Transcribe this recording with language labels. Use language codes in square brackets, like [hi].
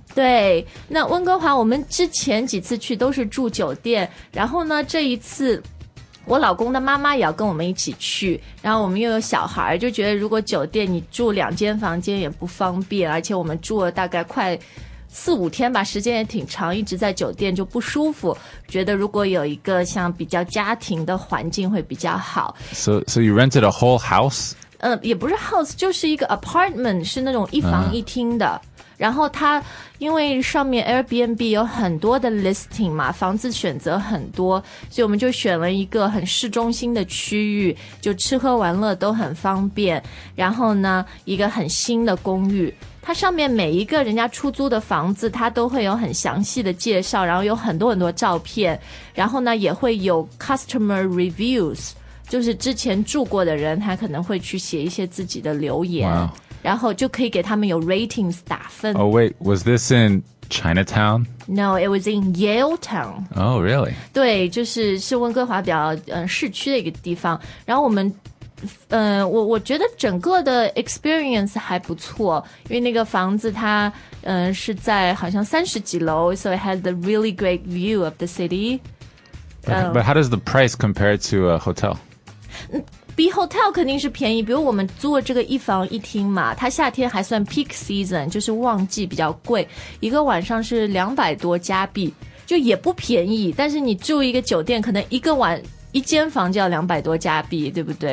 [zh] 对那温哥华我们之前几次去都是住酒店然后呢这一次我老公的妈妈也要跟我们一起去然后我们又有小孩就觉得如果酒店你住两间房间也不方便而且我们住了大概快四五天吧，时间也挺长，一直在酒店就不舒服，觉得如果有一个像比较家庭的环境会比较好。 [en] So you rented a whole house? [zh] 也不是 house, 就是一个 apartment, 是那种一房一厅的、然后它因为上面 Airbnb 有很多的 listing 嘛，房子选择很多，所以我们就选了一个很市中心的区域，就吃喝玩乐都很方便，然后呢一个很新的公寓，它上面每一个人家出租的房子它都会有很详细的介绍，然后有很多很多照片，然后呢也会有 customer reviews, 就是之前住过的人他可能会去写一些自己的留言、然后就可以给他们有 ratings 打分。 [en] Oh wait, was this in Chinatown? No, it was in Yale Town. Oh really? [zh] 对，就是是温哥华比较、市区的一个地方，然后我们我觉得整个的 experience 还不错，因为那个房子它是在好像三十几楼， [en] so it has a really great view of the city. But how does the price compare to a hotel? [zh] Be hotel 肯定是便宜，比如我们租了这个一房一厅嘛，它夏天还算 peak season, 就是旺季比较贵，一个晚上是200多加币，就也不便宜，但是你住一个酒店可能一个晚一间房就要200多加币，对不对？